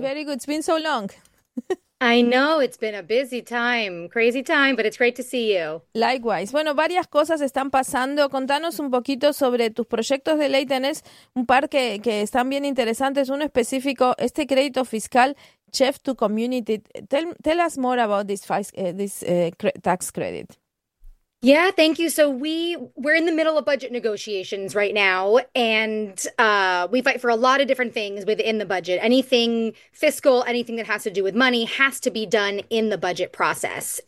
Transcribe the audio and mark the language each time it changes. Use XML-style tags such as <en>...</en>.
<en>Very good. It's been so long. I know. It's been a busy time, crazy time, but it's great to see you. Likewise.</en> <es>Bueno, varias cosas están pasando. Contanos un poquito sobre tus proyectos de ley. Tenés un par que están bien interesantes. Uno específico, este crédito fiscal Chef to Community.</es> <en>Tell us more about this tax credit. Yeah, thank you. So we're in the middle of budget negotiations right now, and we fight for a lot of different things within the budget. Anything fiscal, anything that has to do with money has to be done in the budget process.</en>